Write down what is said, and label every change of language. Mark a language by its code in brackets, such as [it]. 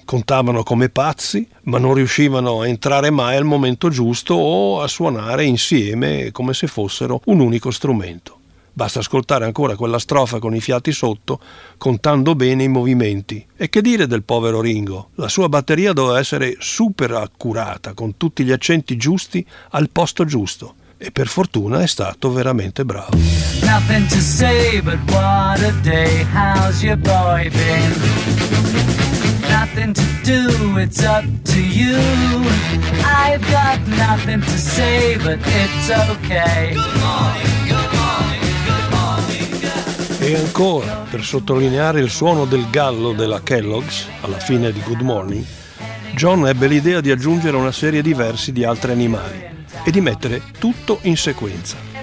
[it] Contavano come pazzi, ma non riuscivano a entrare mai al momento giusto o a suonare insieme come se fossero un unico strumento. Basta ascoltare ancora quella strofa con i fiati sotto, contando bene i movimenti. E che dire del povero Ringo? La sua batteria doveva essere super accurata, con tutti gli accenti giusti al posto giusto. E per fortuna è stato veramente bravo. [en] Nothing to say but what a day, how's your boy been? Nothing to do, it's up to you. I've got nothing to say but it's okay. Good morning, good morning, good morning, yeah. [it] E ancora, per sottolineare il suono del gallo della Kellogg's alla fine di Good Morning, John ebbe l'idea di aggiungere una serie di versi di altri animali e di mettere tutto in sequenza.